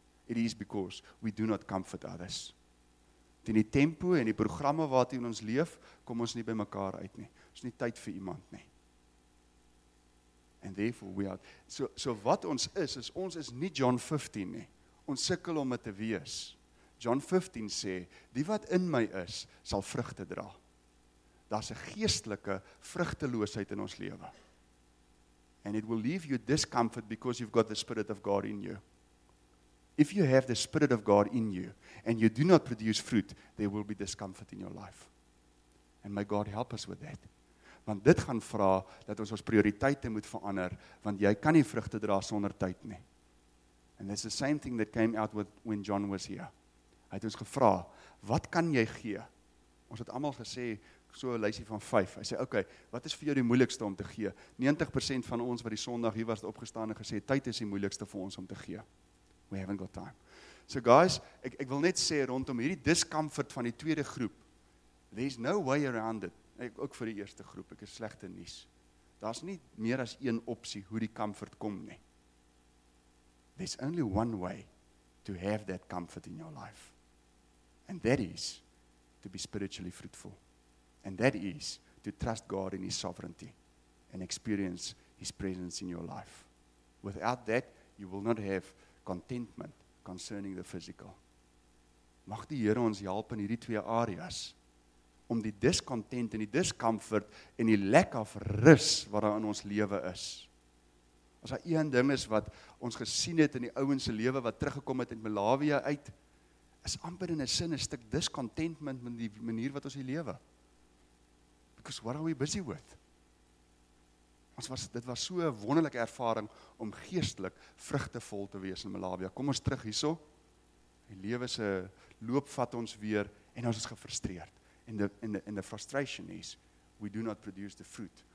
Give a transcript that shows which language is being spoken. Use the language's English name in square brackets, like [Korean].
[English] It is because we do not comfort others. [Afrikaans] Ten die tempo en die programme wat in ons leef, kom ons nie by mekaar uit nie. Ons nie tyd vir iemand nie. [English] And therefore we are, [Afrikaans] so wat ons is, is ons is nie John 15 nie. Ons sukkel om dit te wees. John 15 sê, die wat in my is, sal vrugte dra. Daar's 'n geestelike vrugteloosheid in ons lewe. [English] And it will leave you discomfort because you've got the Spirit of God in you. If you have the Spirit of God in you and you do not produce fruit, there will be discomfort in your life. And may God help us with that. [Afrikaans] Want dit gaan vra dat ons prioriteite moet verander, want jy kan nie vrugte dra sonder tyd nie. [English] And it's the same thing that came out with when John was here. [Afrikaans] Hy het ons gevra, wat kan jy gee? Ons het allemaal gesê, so een lysie van 5. Hy sê, okay, wat is vir jou die moeilikste om te gee? 90% van ons wat die Sondag hier was opgestaan en gesê, tyd is die moeilikste vir ons om te gee. [English] We haven't got time. [Afrikaans] So guys, ek wil net sê rondom hierdie discomfort van die tweede groep, [English] there's no way around it. [Afrikaans] Ek ook vir die eerste groep, ek is slegte nuus. Daar is nie meer as een optie hoe die comfort kom nie. [English] There's only one way to have that comfort in your life. And that is to be spiritually fruitful. And that is to trust God in His sovereignty and experience His presence in your life. Without that, you will not have contentment concerning the physical. [Afrikaans] Mag die Here ons help in hierdie twee areas om die discontent en die discomfort en die lack of rus wat daar in ons lewe is. As daar een ding is wat ons gesien het in die ouens se lewe wat teruggekom het uit Malawi uit, is amper in 'n sin 'n stuk discontentment met die manier wat ons hier lewe. [English] Because what are we busy with? [Afrikaans] Dit was so 'n wonderlike ervaring om geestelik vrugtevol te wees in Malawi. Kom ons terug hierso. Die lewe se loop vat ons weer en ons is gefrustreerd. [English] And the frustration is, we do not produce the fruit